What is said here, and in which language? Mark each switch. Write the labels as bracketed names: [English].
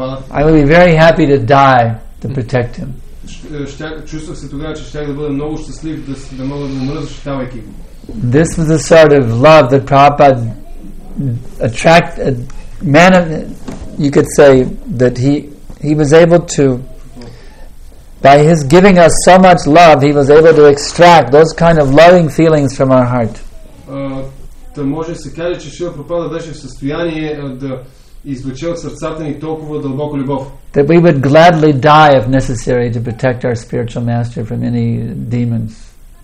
[English] I would be very happy to die to protect him. This was the sort of love that Prabhupada attracted, he was able to, by his giving us so much love, he was able to extract those kind of loving feelings from our heart. [Bulgarian] Може се каже, че Шрила Прабхупада беше в състояние да извлече от сърцата ни толкова дълбока любов. [English] That we would gladly die if necessary to protect our spiritual master from any demons.